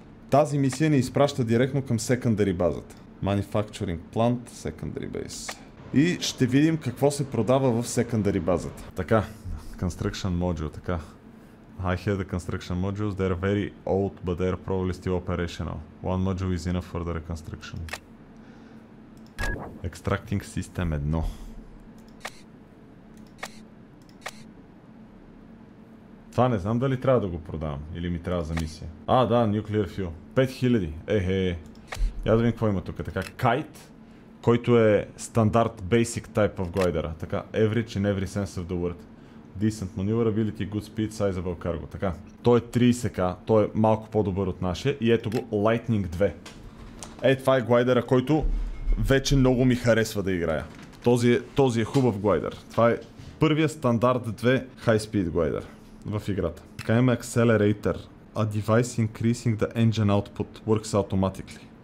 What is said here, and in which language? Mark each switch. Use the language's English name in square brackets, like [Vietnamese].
[Bulgarian] Тази мисия ни изпраща директно към secondary базата. [English] Manufacturing plant, secondary base. [Bulgarian] И ще видим какво се продава в secondary базата. [English] Така. Construction module, така. I had the construction modules. They're very old, but they're probably still operational. One module is enough for the reconstruction. Extracting system 1. [Bulgarian] Това не знам дали трябва да го продавам или ми трябва за мисия. А, да, nuclear fuel. 5000. Я да видим какво има тук. [English] Така, kite, [Bulgarian] който е стандарт [English] basic type of glider. Така, average in every sense of the word. Decent maneuverability, good speed, sizable cargo. Така. [Bulgarian] Той е 30K, той е малко по-добър от нашия. И ето го, Lightning 2. Ей, това е глайдера, който вече много ми харесва да играя. Този е хубав глайдер. Това е първия стандарт 2 high speed глайдер в играта. [English] SkyM Accelerator, a device increasing the engine output, works automatically.